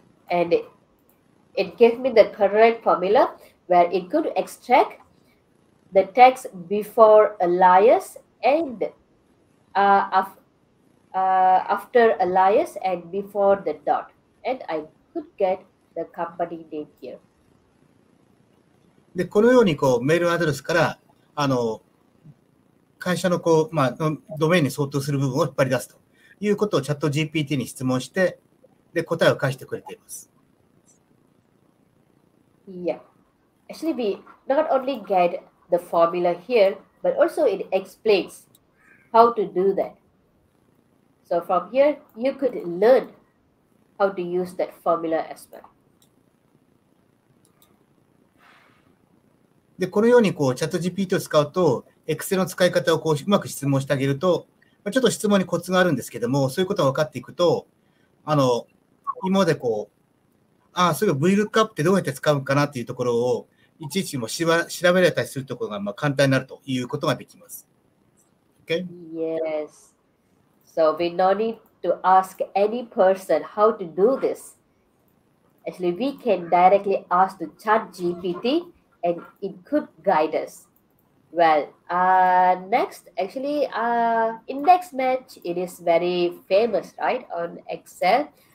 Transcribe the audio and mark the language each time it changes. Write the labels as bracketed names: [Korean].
[English] And it gave me the correct formula where it could extract the text before alias and after alias and before the dot. And I could get the company name here. [Japanese] で、このようにこうメールアドレスからあの会社のこう、まあ、ドメインに相当する部分を引っ張り出すということをチャット GPT に質問して、で答えを返してくれています。 [English] Yeah. Actually, we not only get the formula here, but also it explains how to do that. So from here, you could learn how to use that formula as well. [Japanese] で、このようにこうチャット GPT を使うと、Excel の使い方をこううまく質問してあげると、ちょっと質問にコツがあるんですけども、そういうことが分かっていくと、あの今までこう、ああ、そういう VLOOKUP ってどうやって使うかなっていうところを、いちいちも調べられたりするところがまあ簡単になるということができます。 [English] Okay? Yes. So we no need to ask any person how to do this. Actually, we can directly ask the chat GPT and it could guide us. Well, next, actually, index match, it is very famous, right, on Excel.